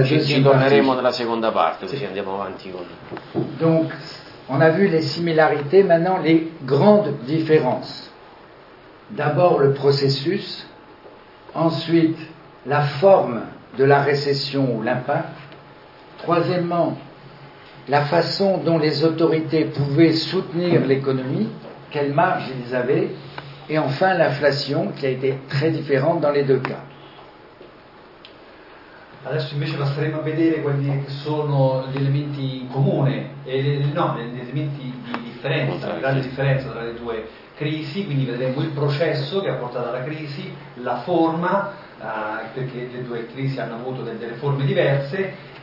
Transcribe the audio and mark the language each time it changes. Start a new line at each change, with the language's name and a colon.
French: deuxième partie.
Italian: Ci torneremo nella seconda parte, così andiamo avanti con...
French: Donc, on a vu les similarités, maintenant les grandes différences. D'abord le processus, ensuite la forme de la récession ou l'impact. Troisièmement, la façon dont les autorités pouvaient soutenir l'économie, quelle marge ils avaient, et enfin l'inflation qui a été très différente dans les deux cas.
Italian: Adesso invece passeremo a vedere quelli che sono gli elementi in comune, gli elementi di differenza, la grande differenza tra le due crisi, quindi vedremo il processo che ha portato alla crisi, la forma, perché le due crisi hanno avuto delle forme diverse,